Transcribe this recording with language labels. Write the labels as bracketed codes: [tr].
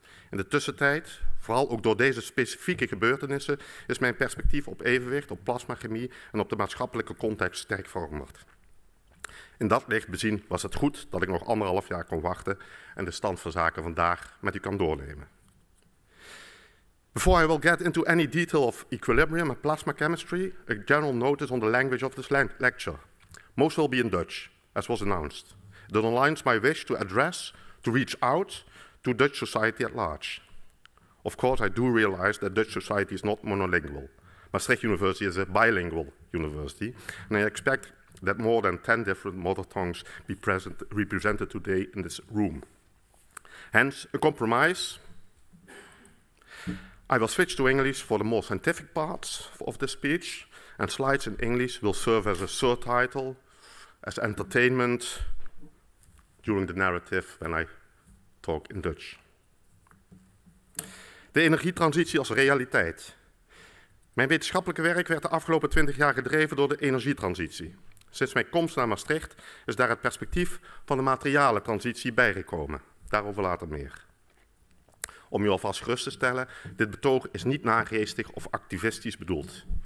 [nl] In de tussentijd, vooral ook door deze specifieke gebeurtenissen, is mijn perspectief op evenwicht, op plasmachemie en op de maatschappelijke context sterk veranderd. In dat licht bezien was het goed dat ik nog anderhalf jaar kon wachten en de stand van zaken vandaag met u kan doornemen. [en] Before I will get into any detail of equilibrium and plasma chemistry, a general notice on the language of this lecture. Most will be in Dutch, as was announced. That aligns my wish to address, to reach out to Dutch society at large. Of course, I do realize that Dutch society is not monolingual. Maastricht University is a bilingual university, and I expect that more than 10 different mother tongues be present, represented today in this room. Hence, a compromise. I will switch to English for the more scientific parts of the speech, and slides in English will serve as a surtitle, as entertainment during the narrative when I talk in Dutch. [nl] De energietransitie als realiteit. Mijn wetenschappelijke werk werd de afgelopen 20 jaar gedreven door de energietransitie. Sinds mijn komst naar Maastricht is daar het perspectief van de materialentransitie bijgekomen. Daarover later meer. Om u alvast gerust te stellen, dit betoog is niet nageestig of activistisch bedoeld.